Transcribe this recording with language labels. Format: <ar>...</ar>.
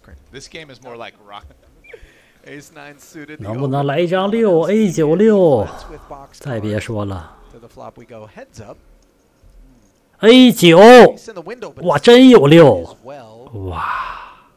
<en>This game is more like rock Ace 9 suited</en> <zh>能不能来一张六 A96 再别说了。</zh> <en>To the flop we go heads up A</en> <zh>九，哇，真有六，哇！</zh>